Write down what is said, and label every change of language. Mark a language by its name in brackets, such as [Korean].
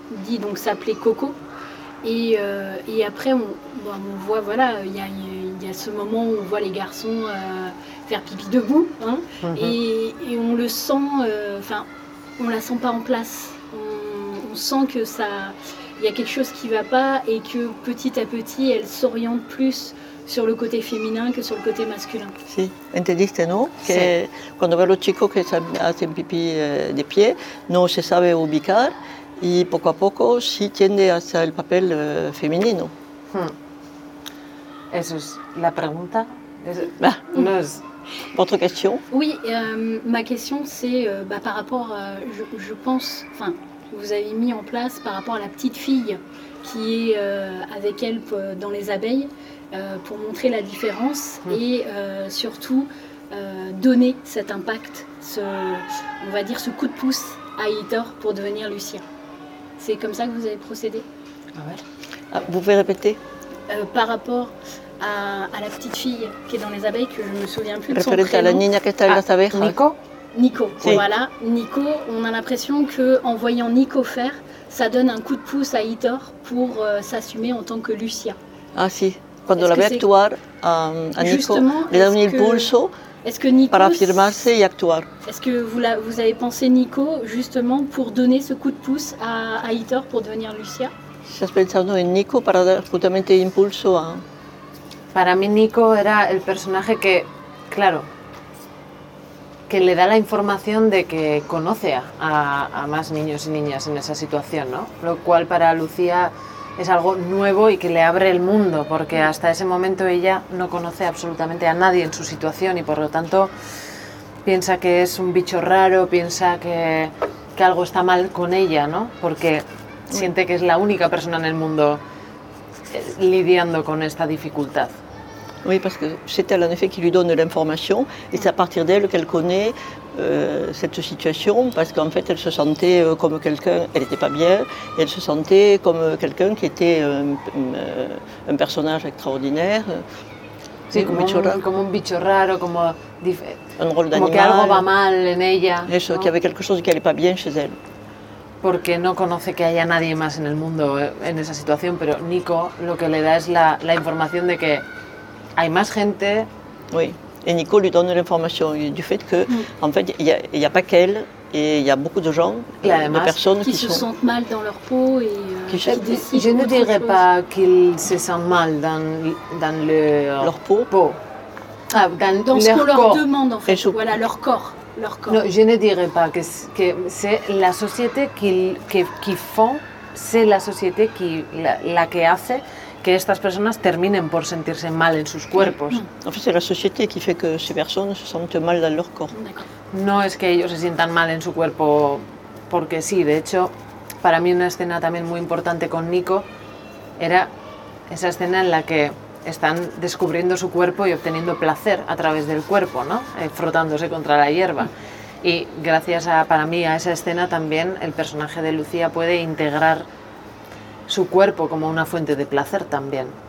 [French] Dit donc s'appelait Coco et après on voit, voilà, il y a ce moment où on voit les garçons faire pipi debout, hein, mm-hmm. et on le sent, enfin on la sent pas en place, on sent que ça, il y a quelque chose qui va pas et que petit à petit elle s'oriente plus sur le côté féminin que sur le côté masculin. [Spanish] Si, entendiste, no? Que cuando ve los chicos que hacen pipi de pie no se sabe ubicar. Y poco a poco sí tiende hacia el papel femenino. Eso es la pregunta. Eso, ah. No es, [French] Votre question ? Oui, ma question, c'est par rapport, je pense, enfin, vous avez mis en place par rapport à la petite fille qui est avec elle dans les abeilles, pour montrer la différence et surtout donner cet impact, on va dire ce coup de pouce à Hitor pour devenir Lucien. C'est comme ça que vous avez procédé ? Ah ouais. Ah, vous pouvez répéter ? Par rapport à la petite fille qui est dans les abeilles, que je ne me souviens plus de son prénom. Référente à la [Spanish] Nina que está en las abejas. [French] Nico ? Nico, si. Voilà. Nico, on a l'impression qu'en voyant Nico faire, ça donne un coup de pouce à Hitor pour s'assumer en tant que Lucien. [Spanish] Ah si, quand on la ve actuar a Nico, le da un impulso para afirmarse y actuar. [French] Est-ce que vous avez pensé Nico justement pour donner ce coup de pouce à Hitor pour devenir Lucien ? [Spanish] ¿Estás pensando en Nico para dar justamente impulso a...? Para mí Nico era el personaje que, claro, que le da la información de que conoce a más niños y niñas en esa situación, ¿no? Lo cual para Lucía es algo nuevo y que le abre el mundo, porque hasta ese momento ella no conoce absolutamente a nadie en su situación y por lo tanto piensa que es un bicho raro, piensa que algo está mal con ella, ¿no? Porque siente que es la única persona en el mundo lidiando con esta dificultad. [French] Oui, parce que c'est elle en effet qui lui donne l'information et c'est à partir d'elle qu'elle connaît cette situation parce qu'en fait elle se sentait comme quelqu'un, elle n'était pas bien, et elle se sentait comme quelqu'un qui était un personnage extraordinaire. [Spanish] Sí, como, un bicho raro, como, [French] un rôle d'animal, [Spanish] como que algo va mal en ella. Eso, no? [French] Qu'il y avait quelque chose qui n'allait pas bien chez elle. [Spanish] Porque no conoce que haya nadie más en el mundo en esa situación, pero Nico lo que le da es la información de que hay más gente. [French] Oui, et Nico lui donne l'information du fait que, en fait, il n'y a pas qu'elle, et il y a beaucoup de gens, de personnes qui se sentent mal dans leur peau et qui décident autre chose. Je ne dirais pas qu'ils se sentent mal dans leur peau. Dans ce qu'on leur demande, en fait, voilà, leur corps. No, je ne dirais pas que c'est la société qui font, c'est la société [Spanish] la que hace que estas personas terminen por sentirse mal en sus cuerpos. [French] En fait, c'est la société qui fait que ces personnes se sentent mal dans leur corps. [Spanish] No es que ellos se sientan mal en su cuerpo porque sí, de hecho, para mí una escena también muy importante con Nico era esa escena en la que están descubriendo su cuerpo y obteniendo placer a través del cuerpo, ¿no? Frotándose contra la hierba. Y gracias para mí, a esa escena también, el personaje de Lucía puede integrar su cuerpo como una fuente de placer también.